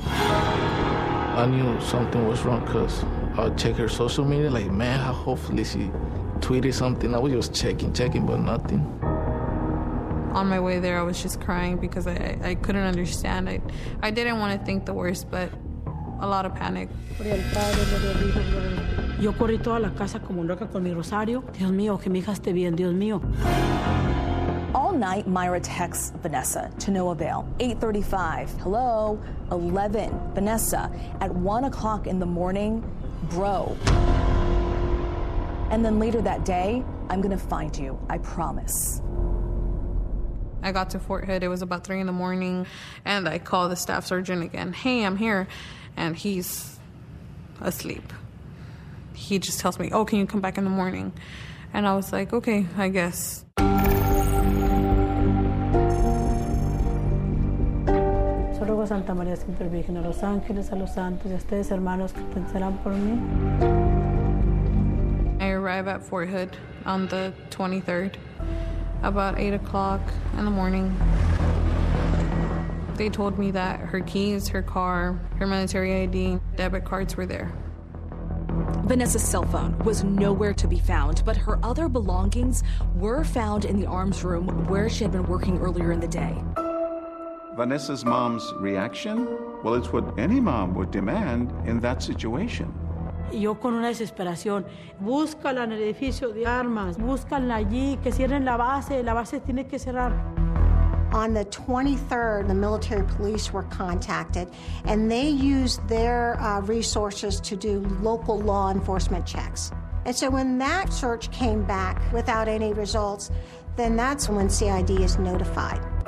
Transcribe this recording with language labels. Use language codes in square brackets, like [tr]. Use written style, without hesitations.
[en] I knew something was wrong because I checked her social media, like, man, hopefully she tweeted something. I was just checking, but nothing. On my way there, I was just crying because I couldn't understand. I didn't want to think the worst, but a lot of panic. [es] Yo corrí toda la casa como loca con mi rosario. Dios mío, que mi hija esté bien, Dios mío. [en] All night, Myra texts Vanessa to no avail. 8:35, hello, 11, Vanessa. At 1 o'clock in the morning, bro. And then later that day, I'm going to find you, I promise. I got to Fort Hood, it was about 3 in the morning, and I call the staff sergeant again. Hey, I'm here. And he's asleep. He just tells me, oh, can you come back in the morning? And I was like, okay, I guess. [es] Yo ruego a Santa María, siempre virgen, a los ángeles, a los santos, y a ustedes, hermanos, que pensarán por mí. [en] I arrive at Fort Hood on the 23rd, about 8 o'clock in the morning. They told me that her keys, her car, her military ID, debit cards were there. Vanessa's cell phone was nowhere to be found, but her other belongings were found in the arms room where she had been working earlier in the day. Vanessa's mom's reaction? Well, it's what any mom would demand in that situation. [es] Yo con una desesperación, búscala en el edificio de armas, búscala allí, que cierren la base tiene que cerrar. [en] On the 23rd, the military police were contacted, and they used their resources to do local law enforcement checks. And so when that search came back without any results, then that's when CID is notified.